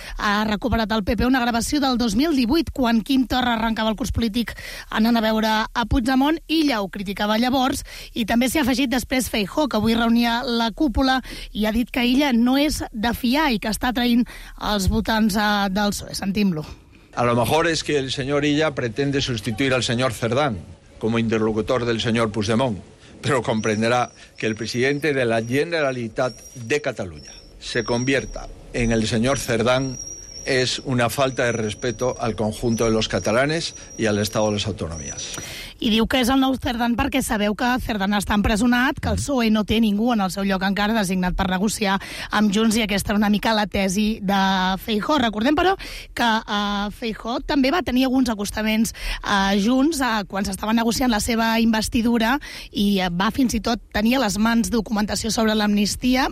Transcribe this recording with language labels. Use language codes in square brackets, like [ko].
[ca] Ha recuperat el PP una gravació del 2018, quan Quim Torra arrencava el curs polític anant a veure a Puigdemont, i ja ho criticava llavors, i també s'hi ha afegit després Feijó, que avui reunia la cúpula i ha dit que Illa no és de fiar i que està traint els votants del PSOE. Sentim-lo. [es] A lo mejor es que el señor Illa pretende sustituir al señor Cerdán como interlocutor del señor Puigdemont. Pero comprenderá que el presidente de la Generalitat de Cataluña se convierta en el señor Cerdán es una falta de respeto al conjunto de los catalanes y al Estado de las Autonomías. [ca] I diu que és el nou Cerdán perquè sabeu que Cerdán està empresonat, que el PSOE no té ningú en el seu lloc encara designat per negociar amb Junts, i aquesta era una mica la tesi de Feijó. Recordem, però, que Feijó també va tenir alguns acostaments a Junts quan s'estava negociant la seva investidura, i va fins i tot tenir a les mans documentació sobre l'amnistia.